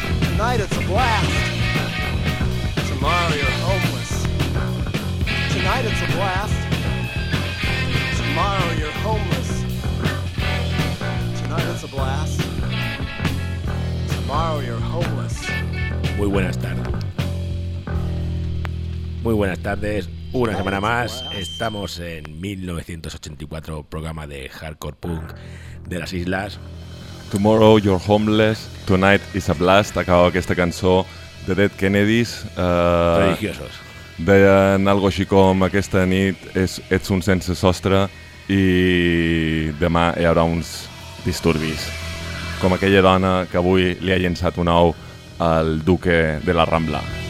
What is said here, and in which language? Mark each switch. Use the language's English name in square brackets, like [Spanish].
[English] Tonight it's a blast. Tomorrow you're homeless. Tonight it's a blast. Tomorrow you're homeless. Tonight it's a blast. Tomorrow you're homeless. [Spanish] Muy buenas tardes. Muy buenas tardes. Una semana más, estamos en 1984, programa de Hardcore Punk de las Islas. [English] Tomorrow you're homeless, tonight is a blast. [Catalan] Acabo aquesta cançó de Dead Kennedys. Religiosos. Deien algo així com aquesta nit ets un sense sostre i demà hi haurà uns disturbis. Com aquella dona que avui li ha llençat un ou al duque de la Rambla.